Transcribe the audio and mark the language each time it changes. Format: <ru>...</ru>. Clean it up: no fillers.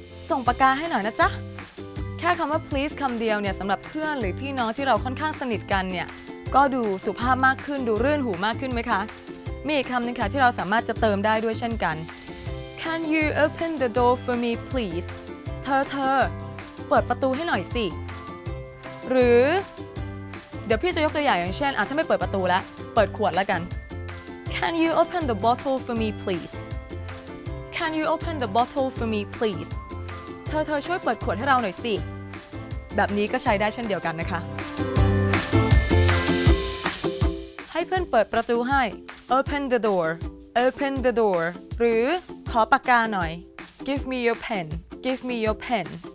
<th>ส่งปากกาให้หน่อยนะจ๊ะแค่คำว่า please คำเดียวเนี่ยสำหรับเพื่อนหรือพี่น้องที่เราค่อนข้างสนิทกันเนี่ยก็ดูสุภาพมากขึ้นดูรื่นหูมากขึ้นไหมคะมีอีกคำนึงค่ะที่เราสามารถจะเติมได้ด้วยเช่นกัน</th> <en>Can you open the door for me, please?</en> <th>เธอเปิดประตูให้หน่อยสิหรือเดี๋ยวพี่จะยกตัวอย่างอย่างเช่นถ้าไม่เปิดประตูแล้วเปิดขวดแล้วกัน</th> <en>Can you open the bottle for me, please? Can you open the bottle for me, please?</en> <th>เธอช่วยเปิดขวดให้เราหน่อยสิแบบนี้ก็ใช้ได้เช่นเดียวกันนะคะให้เพื่อนเปิดประตูให้</th> <en>open the door open the door</en> <th>หรือขอปากกาหน่อย</th> <en>give me your pen</en> <th>give me your pen</th>